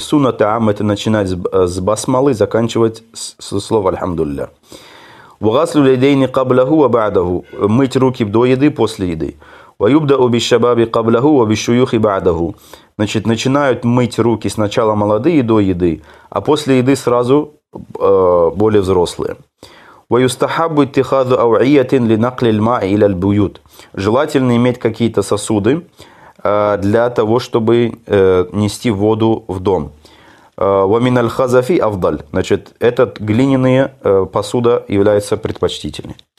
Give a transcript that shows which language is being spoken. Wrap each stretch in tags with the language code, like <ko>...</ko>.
<ru>Сунна таам – это начинать с басмалы, заканчивать со слова «альхамдулля».</ru> <ar>وغسل اليدين قبله وبعده,</ar> <ru>мыть руки до еды, после еды.</ru> <ar>ويبدا بالشباب قبله وبالشيوخ بعده.</ar> <ru>Значит, начинают мыть руки сначала молодые до еды, а после еды сразу более взрослые.</ru> <ar>ويستحب اتخاذ أوعية لنقل الماء إلى البيوت.</ar> <ru>Желательно иметь какие-то сосуды для того, чтобы нести воду в дом.</ru> <ar>ومن الخزف أفضل.</ar> <ru>Значит, этот глиняная посуда является предпочтительной.</ru>